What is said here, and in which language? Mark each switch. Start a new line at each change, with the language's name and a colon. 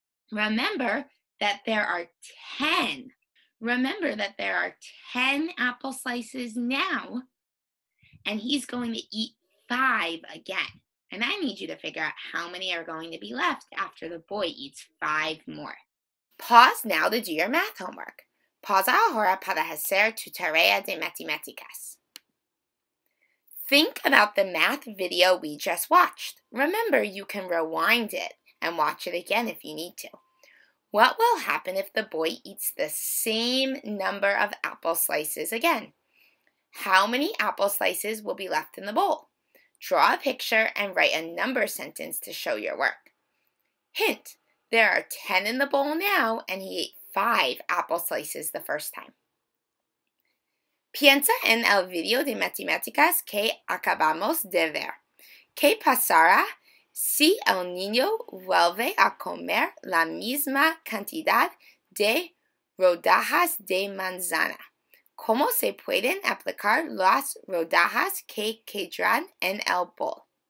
English: Remember that there are 10. Remember that there are 10 apple slices now, and he's going to eat 5 again. And I need you to figure out how many are going to be left after the boy eats 5 more. Pause now to do your math homework.
Spanish: Pausa ahora para hacer tu tarea de matemáticas.
English: Think about the math video we just watched. Remember, you can rewind it and watch it again if you need to. What will happen if the boy eats the same number of apple slices again? How many apple slices will be left in the bowl? Draw a picture and write a number sentence to show your work. Hint, there are 10 in the bowl now, and he ate 5 apple slices the first time.
Spanish: Piensa en el video de matemáticas que acabamos de ver. ¿Qué pasará si el niño vuelve a comer la misma cantidad de rodajas de manzana? ¿Cómo se pueden aplicar las rodajas que quedan en el bol?